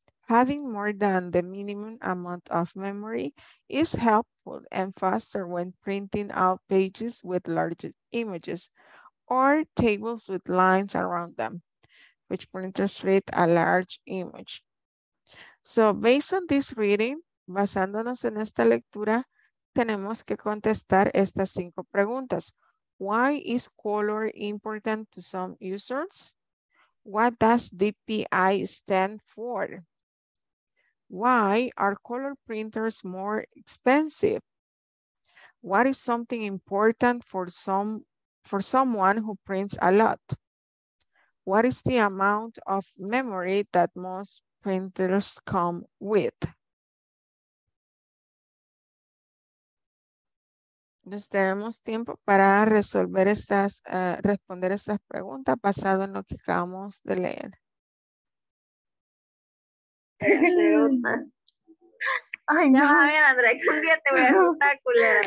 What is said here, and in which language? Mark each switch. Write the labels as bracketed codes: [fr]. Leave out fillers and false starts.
[en] Having more than the minimum amount of memory is helpful and faster when printing out pages with large images or tables with lines around them, which printers read a large image. So based on this reading, [es] Basándonos en esta lectura, tenemos que contestar estas cinco preguntas. [en] Why is color important to some users? What does DPI stand for? Why are color printers more expensive? What is something important for someone who prints a lot? What is the amount of memory that most printers come with? [es] Nos tenemos tiempo para resolver estas, responder estas preguntas basado en lo que acabamos de leer. Ay, no. Ya, bien, André, un día te voy a asustar, culera.